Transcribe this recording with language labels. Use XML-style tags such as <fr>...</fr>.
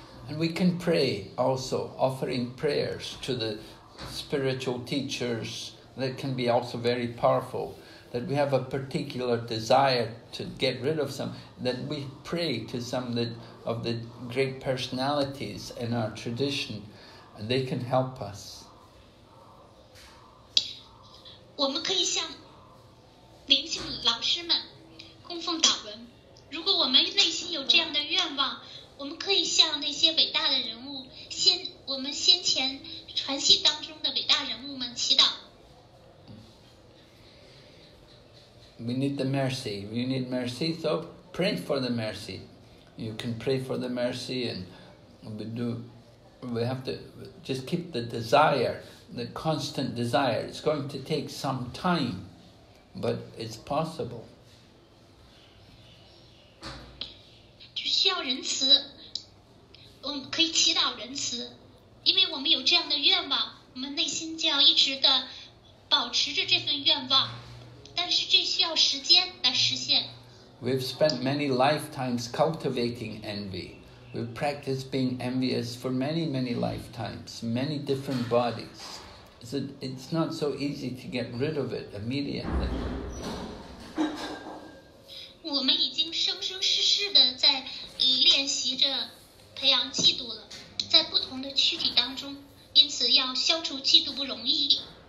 <en>And we can pray also, offering prayers to the spiritual teachers. That can be also very powerful. That we have a particular desire to get rid of some, that we pray to some of the great personalities in our tradition, and they can help us.</en> <zh>我们可以向灵性老师们供奉祷文。如果我们内心有这样的愿望，我们可以向那些伟大的人物，我们先前传习当中的伟大人物们祈祷。</zh> <en>We need the mercy. We need mercy, so pray for the mercy. You can pray for the mercy and we do We have to just keep the desire, the constant desire. It's going to take some time, but it's possible.</en> <zh>就需要仁慈，我们可以祈祷仁慈，因为我们有这样的愿望，我们内心就要一直的保持着这份愿望，但是这需要时间来实现。</zh> <en>We've spent many lifetimes cultivating envy. We've practiced being envious for many, many lifetimes, many different bodies. It's not so easy to get rid of it immediately.</en> <zh>我们已经生生世世的在练习着培养嫉妒了，在不同的躯体当中，因此要消除嫉妒不容易。</zh>